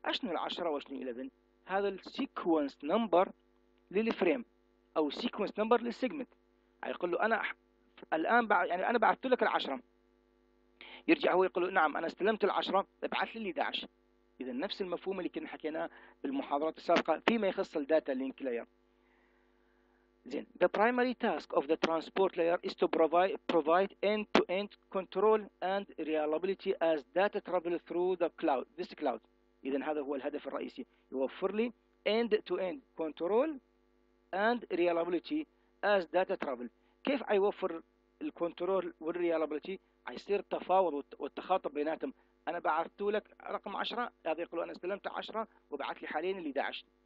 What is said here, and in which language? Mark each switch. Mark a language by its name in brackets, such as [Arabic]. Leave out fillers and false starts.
[Arabic] اشنو ال10 واشنو 11؟ هذا السيكونس نمبر للفريم او سيكونس نمبر للسيجمنت. يقول له انا الان يعني انا بعثت لك ال10، يرجع هو يقول له نعم انا استلمت العشرة، ابعث لي 11. اذا نفس المفهوم اللي كنا حكيناه بالمحاضرات السابقه فيما يخص الداتا لينك لاير. زين، [English] the primary task of the transport layer is to provide end-to-end control and reliability as data travels through the cloud, this cloud. [Arabic] اذا هذا هو الهدف الرئيسي، يوفر لي [English] end-to-end control and reliability as data travel. [Arabic] كيف ايوفر الكنترول والريالابيلتي؟ حيصير التفاوض والتخاطب بيناتهم. انا بعثت لك رقم 10، هذا يقول انا استلمت 10 وبعث لي حاليا ال 11.